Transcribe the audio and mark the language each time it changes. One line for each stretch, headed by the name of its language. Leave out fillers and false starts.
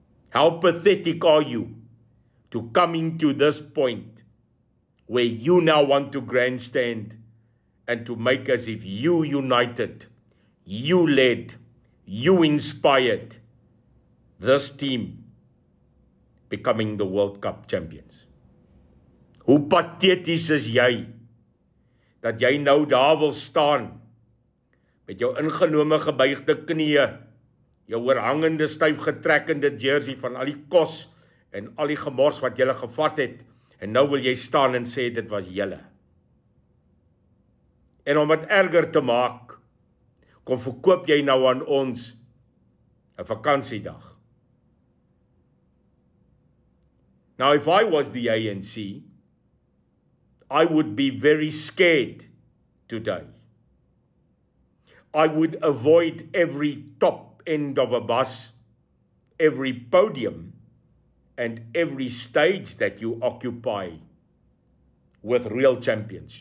English: How pathetic are you to coming to this point where you now want to grandstand and to make as if you united, you led, you inspired this team becoming the World Cup champions.
Afrikaans: Hoe pateties is jy dat jy nou daar wil staan met jou ingenome gebuigde knieë, jou oorhangende stuif getrekkende jersey van al die kos en al die gemors wat jy gevat het, en nou wil jy staan en sê dit was julle. En om het erger te maak, kom verkoop jy nou aan ons 'n vakansiedag.
English: Now, if I was the ANC, I would be very scared today. I would avoid every top end of a bus, every podium, and every stage that you occupy with real champions.